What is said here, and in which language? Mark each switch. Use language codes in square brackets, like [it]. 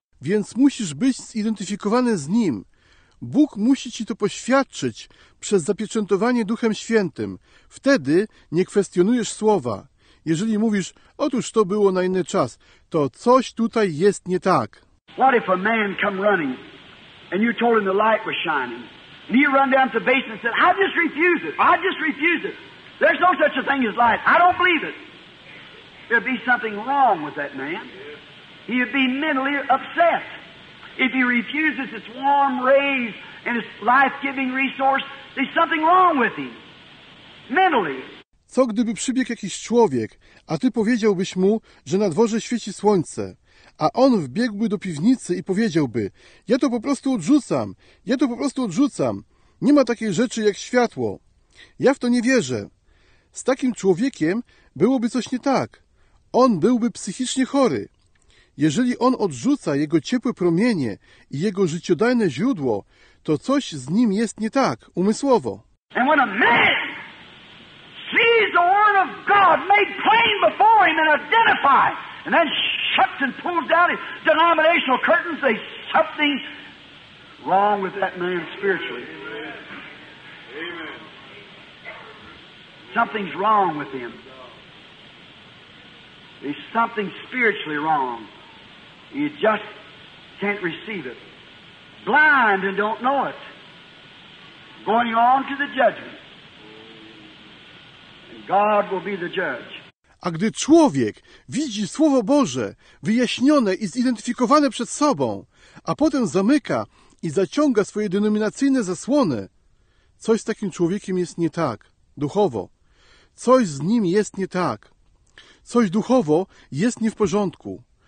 [pl] Więc musisz być zidentyfikowany z Nim. Bóg musi ci to poświadczyć przez zapieczętowanie Duchem Świętym. Wtedy nie kwestionujesz słowa. Jeżeli mówisz, otóż to było na inny czas, to coś tutaj jest nie tak. [en] What if a man come running and you told him the light was shining and he run down to the basement and said, I just refuse it. I just refuse it. There's no such a thing as light. I don't believe it. There'd be something wrong with that man. He'd be mentally upset. If he refuses its warm rays and its life-giving resource, there's something wrong with him. Mentally. [pl] Co gdyby przybiegł jakiś człowiek, a ty powiedziałbyś mu, że na dworze świeci słońce, a on wbiegłby do piwnicy i powiedziałby, ja to po prostu odrzucam, ja to po prostu odrzucam, nie ma takiej rzeczy jak światło. Ja w to nie wierzę. Z takim człowiekiem byłoby coś nie tak. On byłby psychicznie chory. Jeżeli on odrzuca jego ciepłe promienie i jego życiodajne źródło, to coś z nim jest nie tak, umysłowo. [en] And when a man sees the word of God made plain before him and identifies, and then shuts and pulls down his denominational curtains, there's something wrong with that man spiritually. Amen. Something's wrong with him. There's something spiritually wrong. You just can't receive it. Blind and don't know it. Going on to the judgment. And God will be the judge. [pl] A gdy człowiek widzi Słowo Boże wyjaśnione i zidentyfikowane przed sobą, a potem zamyka i zaciąga swoje denominacyjne zasłony, coś z takim człowiekiem jest nie tak, duchowo. Coś z nim jest nie tak. Coś duchowo jest nie w porządku.